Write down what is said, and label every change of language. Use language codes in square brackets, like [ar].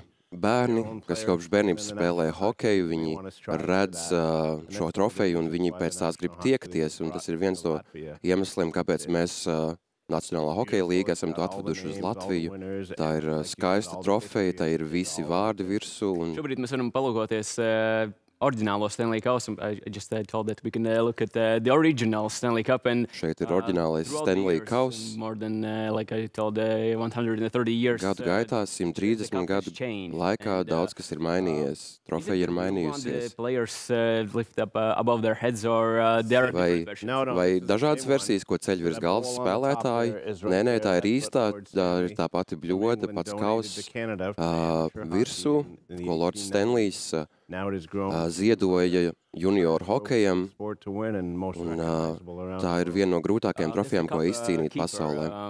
[lv] Bērni, kas kopš bērnības spēlē hokeju, viņi redz šo trofeju un viņi pēc tās grib tiekties. Un tas ir viens no iemesliem, kāpēc mēs Nacionālā hokeja līga esam to atveduši uz Latviju. Tā ir skaista trofeja, tā ir visi vārdi virsū. Un... Šobrīd mēs varam palūkoties originālo Stenlija kausu. [en] I just told that we can look at the original Stenlija cup. And, [lv] šeit ir originālais Stenlija kausa. [en] More than, like I told, 130 years. [lv] Gadu gaitā, 130 gadu laikā daudz, kas ir mainījies. Trofeja ir mainījusies. [en] Players lift up above their heads or their [lv] vai dažādas versijas, ko ceļ virs galvas spēlētāji? Nē, tā ir īstā. Tā ir tā pati bļoda, pats kausa virsū, ko Lords Stenlijs ziedoja junior hokejam, un tā ir viena no grūtākajām trofejām, ko izcīnīt pasaulē.